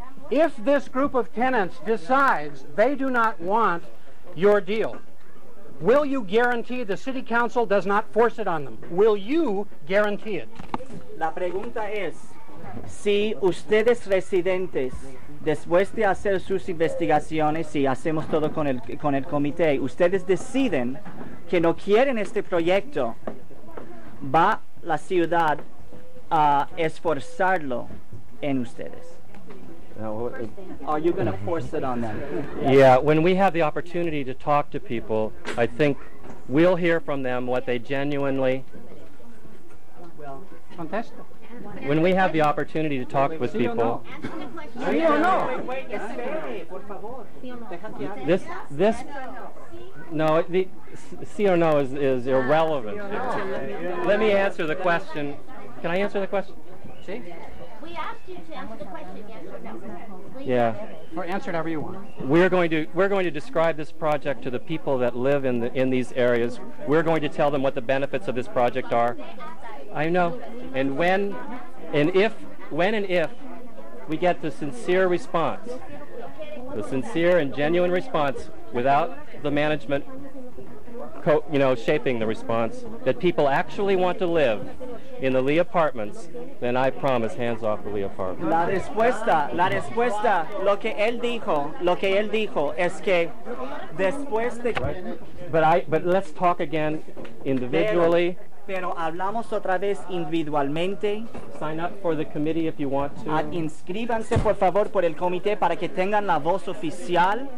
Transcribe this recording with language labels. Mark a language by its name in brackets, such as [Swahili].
[English] If this group of tenants decides they do not want your deal, will you guarantee the city council does not force it on them? Will you guarantee it? [Spanish] La pregunta es, si ustedes residentes, después de hacer sus investigaciones y hacemos todo con el comité, ustedes deciden que no quieren este proyecto, ¿va la ciudad a esforzarlo en ustedes? [English] Are you going to force it on them? Yeah, when we have the opportunity to talk to people, I think we'll hear from them what they genuinely... Well, [Spanish] contesto. [English] when we have the opportunity to talk with people. Is irrelevant. Let me answer the question. Can I answer the question? We asked you to answer the question, yes or no. Yeah. Or answer whatever you want. We're going to describe this project to the people that live in these areas. We're going to tell them what the benefits of this project are. I know. And if we get the sincere response, the sincere and genuine response without the management shaping the response, that people actually want to live in the Lee Apartments, then I promise, hands off the Lee Apartments. [Spanish] La respuesta, lo que él dijo, es que después de... [English] Right. But let's talk again individually. [Spanish] Pero hablamos otra vez individualmente. [English] Sign up for the committee if you want to. [Spanish] Inscríbanse, por favor, por el comité para que tengan la voz oficial.